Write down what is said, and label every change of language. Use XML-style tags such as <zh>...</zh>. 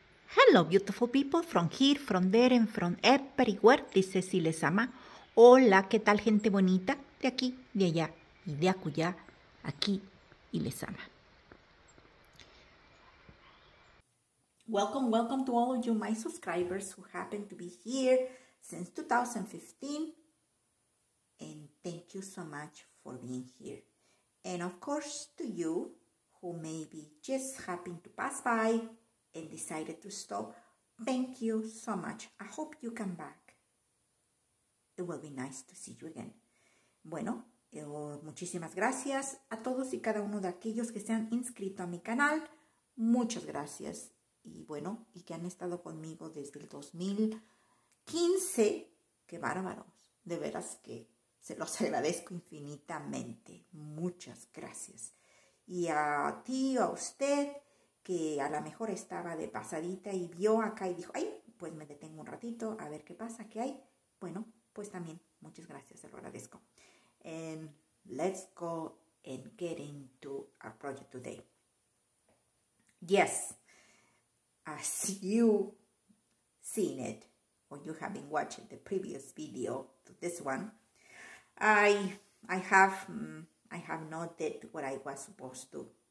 <en>Hello, beautiful people, from here, from there, and from everywhere,</en> <es>dice si les ama. Hola, ¿qué tal, gente bonita? De aquí, de allá, y de acullá, aquí, y les ama.</es> <en>Welcome, welcome to all of you, my subscribers, who happen to be here since 2015. And thank you so much for being here. And of course, to you, who maybe just happen to pass by, and decided to stop, thank you so much. I hope you come back. It will be nice to see you again.</en> <es>Bueno, muchísimas gracias a todos y cada uno de aquellos que se han inscrito a mi canal. Muchas gracias. Y bueno, y que han estado conmigo desde el 2015. ¡Qué bárbaros! De veras que se los agradezco infinitamente. Muchas gracias. Y a ti, a usted, que a lo mejor estaba de pasadita y vio acá y dijo, ay, pues me detengo un ratito a ver qué pasa, qué hay. Bueno, pues también, muchas gracias, se lo agradezco.</es> <en>And let's go and get into our project today. Yes, as you seen it, or you have been watching the previous video to this one, I have not did what I was supposed to.</en>